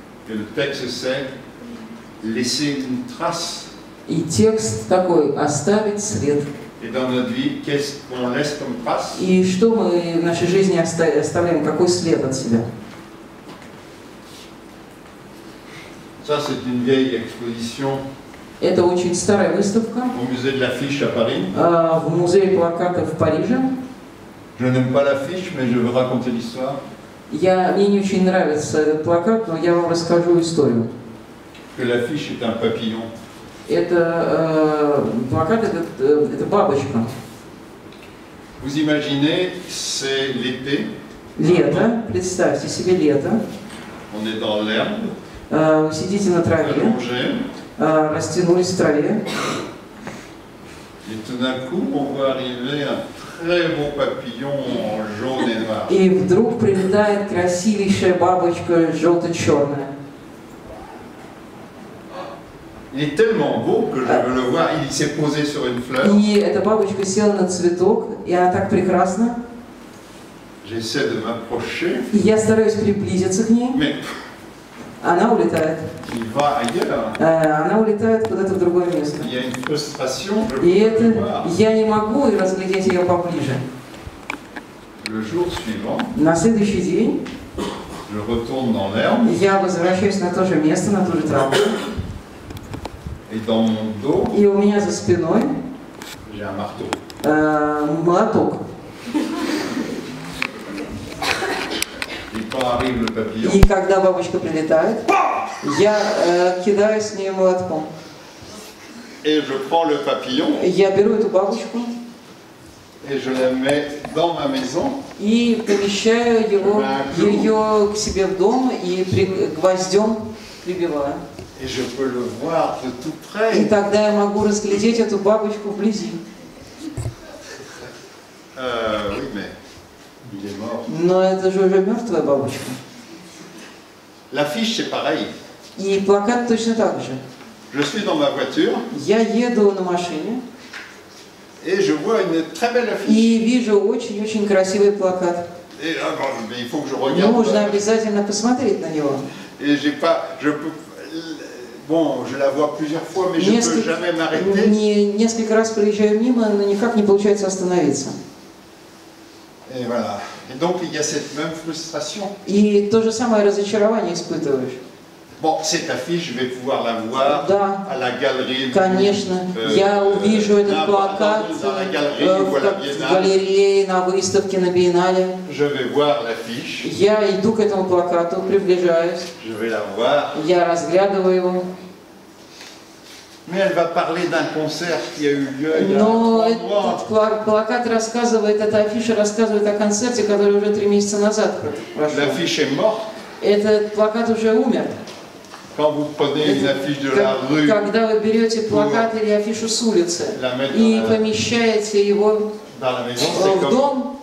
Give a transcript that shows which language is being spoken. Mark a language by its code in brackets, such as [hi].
[fr] Et le texte c'est laisser une trace. [ru] И текст такой, оставить след. [fr] Et dans notre vie, qu'est-ce qu'on laisse comme trace? [ru] И что мы в нашей жизни оставляем, какой след от себя? [fr] Ça, c'est une vieille exposition. [ru] Это очень старая выставка. [fr] Au musée de l'affiche à Paris. [ru] В музее плаката в Париже. [fr] Je n'aime pas l'affiche, mais je veux raconter l'histoire. [ru] Мне не очень нравится этот плакат, но я вам расскажу историю. [fr] Que l'affiche est un papillon. [ru] Это плакат, это бабочка. [fr] Vous imaginez, c'est l'été. [ru] Лето. Представьте себе лето. [fr] On est dans l'herbe. [ru] Вы сидите на траве. [fr] Allongé. [ru] Растянулись в траве. [fr] Et tout d'un coup, on voit arriver un très beau papillon en jaune et noir. [ru] И вдруг прилетает красивейшая бабочка желто-черная. [fr] Il est tellement beau que je veux le voir. Il s'est posé sur une fleur. [ru] И эта бабочка села на цветок, и она так прекрасна. [fr] J'essaie de m'approcher. [ru] И я стараюсь приблизиться к ней. [fr] Mais [ru] она улетает. [fr] Il va ailleurs. [ru] Она улетает куда-то в другое место. [fr] Il y a une frustration. [ru] И это я не могу и разглядеть ее поближе. [fr] Le jour suivant. [ru] На следующий день. [fr] Je retourne dans l'herbe. [ru] Я возвращаюсь на то же место, на ту же траву. [fr] Et dans mon dos, [ru] и у меня за спиной [fr] j'ai un marteau. [ru] Молоток. [fr] Et quand arrive le papillon, [ru] и когда бабочка прилетает, я кидаю с нее молотком. [fr] Et je prends le papillon, [ru] я беру эту бабочку [fr] et je la mets dans ma maison, [ru] и помещаю ее к себе в дом и гвоздем прибиваю. [fr] Et je peux le voir de tout près. [ru] И тогда я могу разглядеть эту бабочку вблизи. [fr] Oui, mais il est mort. [ru] Но это же уже мертвая бабочка. [fr] L'affiche, c'est pareil. [ru] И плакат точно так же. [fr] Je suis dans ma voiture. [ru] Я еду на машине. [fr] Et je vois une très belle affiche. [ru] И вижу очень-очень красивый плакат. [fr] Et, mais il faut que je regarde. [ru] Нужно обязательно посмотреть на него. [fr] Et j'ai pas, je peux... Bon, je la vois plusieurs fois, mais je ne peux jamais m'arrêter. [ru] Несколько раз проезжаю мимо, но никак не получается остановиться. [fr] Et voilà. Et donc il y a cette même frustration. [ru] И то же самое разочарование испытываешь. [fr] Bon, cette affiche, je vais pouvoir la voir [ru] да. [fr] À la galerie. [ru] Конечно, я увижу этот плакат в галерее, на выставке, на биеннале. [fr] Je vais voir l'affiche. [ru] Я иду к этому плакату, приближаюсь. [fr] Je vais la voir. [ru] Я разглядываю его. [fr] Mais elle va parler d'un concert qui a eu lieu il y a [ru] Плакат рассказывает, эта афиша рассказывает о концерте, который уже 3 месяца назад прошел. [fr] L'affiche est morte. [ru] Этот плакат уже умер. [fr] Quand vous prenez une affiche de la rue. [ru] Когда вы берете плакат или афишу с улицы и помещаете его в дом.